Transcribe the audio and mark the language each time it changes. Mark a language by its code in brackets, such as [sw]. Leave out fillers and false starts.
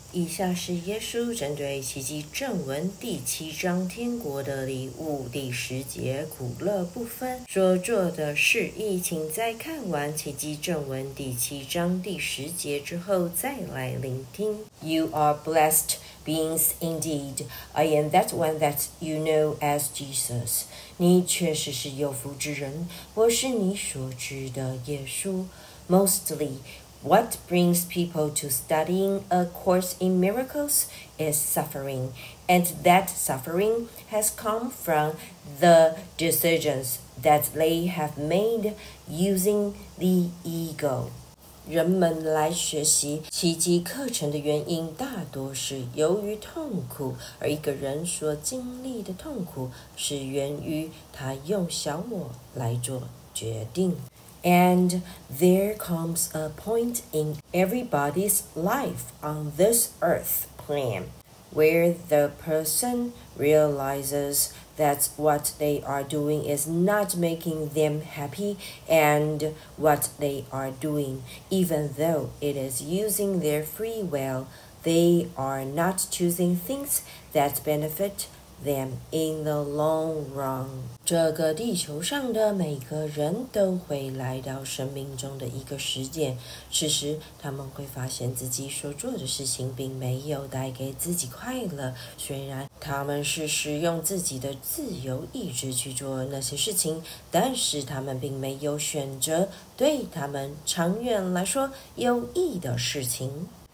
[zh] 以下是耶稣针对奇迹正文第七章天国的礼物第十节苦乐不分所做的事宜，请在看完奇迹正文第七章第十节之后再来聆听。 [en] You are blessed beings indeed. I am that one that you know as Jesus. [zh] 你确实是有福之人，我是你所知的耶稣。 [en] Mostly,What brings people to studying a course in miracles is suffering, and that suffering has come from the decisions that they have made using the ego. [zh] 人们来学习奇迹课程的原因大多是由于痛苦，而一个人所经历的痛苦是源于他用小我来做决定。 [en] And there comes a point in everybody's life on this earth plan where the person realizes that what they are doing is not making them happy and what they are doing, even though it is using their free will, they are not choosing things that benefit them in the long run. [zh] 这个地球上的每个人都会来到生命中的一个时间，此时他们会发现自己所做的事情并没有带给自己快乐，虽然他们是使用自己的自由意志去做那些事情，但是他们并没有选择对他们长远来说有益的事情。